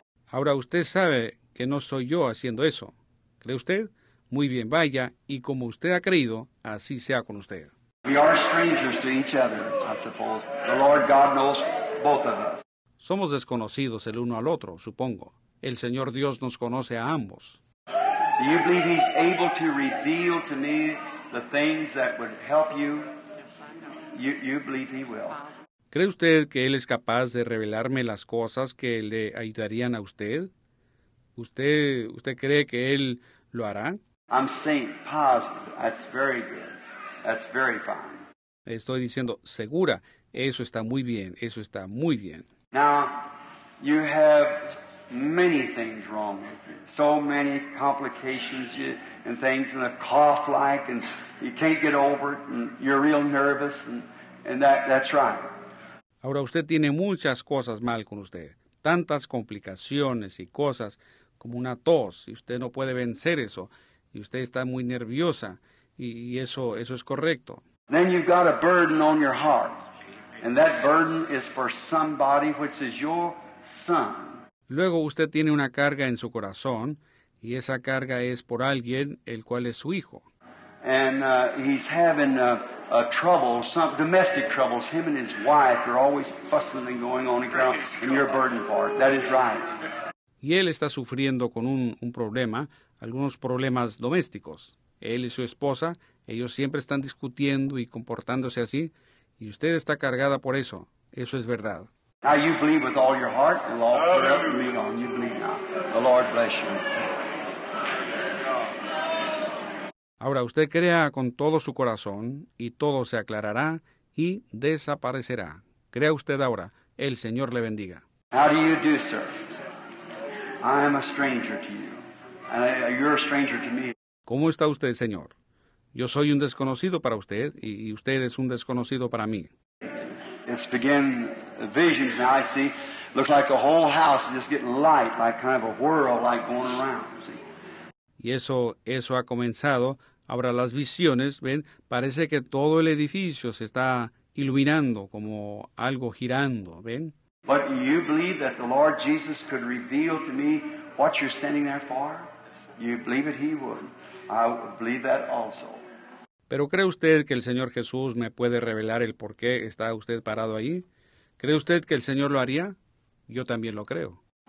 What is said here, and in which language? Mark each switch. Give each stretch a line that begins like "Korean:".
Spanish: Ahora usted sabe que no soy yo haciendo eso. ¿Cree usted? Muy bien, vaya, y como usted ha creído, así sea con usted.
English: We are strangers to each other, I suppose. The Lord God knows both of us.
Spanish: Somos desconocidos el uno al otro, supongo. El Señor Dios nos conoce a ambos.
English: Do you believe he's able to reveal to me the things that would help you? You believe he will.
Spanish: ¿Cree usted que él es capaz de revelarme las cosas que le ayudarían a usted? ¿Usted cree que él lo hará?
English: I'm saying positive. That's very good. That's very fine.
Spanish: Estoy diciendo segura. Eso está muy bien. Eso está muy bien.
English: Now, you have many things wrong with you. So many complications and things and a cough like and you can't get over it and you're real nervous and that's right.
Spanish: Ahora usted tiene muchas cosas mal con usted, tantas complicaciones y cosas como una tos, y usted no puede vencer eso, y usted está muy nerviosa, y eso es correcto.
English: Then you've got a burden on your heart, and that burden is for somebody which is your son.
Spanish: Luego usted tiene una carga en su corazón, y esa carga es por alguien el cual es su hijo.
English: And he's having a trouble, some domestic troubles. Him and his wife are always fussing and going on and around. And your burden for it. That is right.
Spanish: Y él está sufriendo con un problema, algunos problemas domésticos. Él y su esposa, ellos siempre están discutiendo y comportándose así. Y usted está cargada por eso. Eso es verdad.
English: Now you believe with all your heart. The Lord put up and lean on. You believe now. The Lord bless you.
Spanish: Ahora usted crea con todo su corazón y todo se aclarará y desaparecerá. Crea usted ahora. El Señor le bendiga.
English: How do you do, sir? I am a stranger to you. You're a stranger to me.
Spanish: ¿Cómo está usted, Señor? Yo soy un desconocido para usted y usted es un desconocido para mí.
English: It's begin visions now, I see. Looks like a whole house is just getting light, like kind of a whirl, like going around, see.
Spanish: Y eso ha comenzado. Ahora las visiones, ven, parece que todo el edificio se está iluminando como algo girando, ven.
English: But you believe that the Lord Jesus could reveal to me what you're standing there for? You believe it, he would. I believe that also.
Spanish: ¿Pero cree usted que el Señor Jesús me puede revelar el por qué está usted parado ahí? ¿Cree usted que el Señor lo haría? Yo también lo creo.